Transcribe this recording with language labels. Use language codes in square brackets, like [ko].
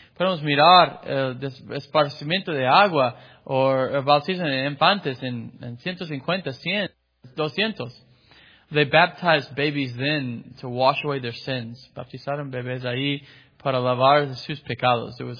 [es] Podemos mirar el esparcimiento de agua o el bautismo de infantes en 150, 100, 200. [en] They baptized babies then to wash away their sins. [es] Bautizaron bebés ahí para lavar sus pecados.